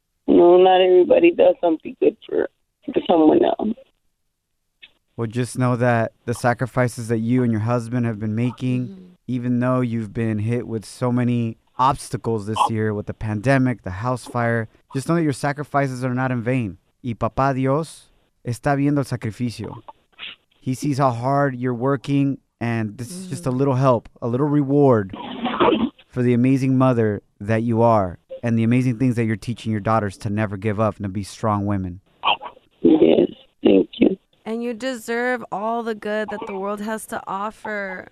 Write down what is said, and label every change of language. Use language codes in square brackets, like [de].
[en] No, not everybody does something good for someone else. Well, just know that the sacrifices that you and your husband have been making, even though you've been hit with so many obstacles this year with the pandemic, the house fire, just know that your sacrifices are not in vain. [es] Y Papá Dios está viendo el sacrificio. [en] He sees how hard you're working, and this is just a little help, a little reward for the amazing mother that you are and the amazing things that you're teaching your daughters to never give up and to be strong women. Yes, thank you. And you deserve all the good that the world has to offer.